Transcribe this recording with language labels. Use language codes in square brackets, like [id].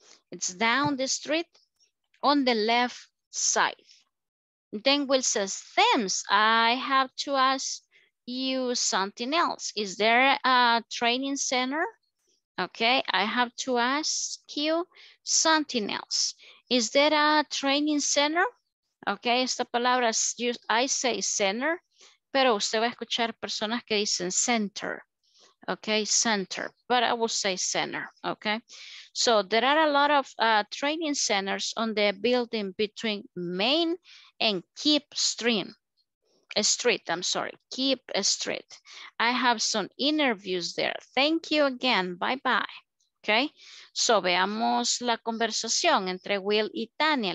[en] It's down the street on the left side. Then Will says, thanks, I have to ask you something else. Is there a training center? Okay, I have to ask you something else. Is there a training center? [es] Okay, esta palabra, [en] I say center, [es] pero usted va a escuchar personas que dicen center. [en] Okay, center, but I will say center, okay? So there are a lot of training centers on the building between Main and Keep Street, I'm sorry, Keep Street. I have some interviews there. Thank you again, bye-bye, okay? [es] So veamos la conversación entre Will y Tania.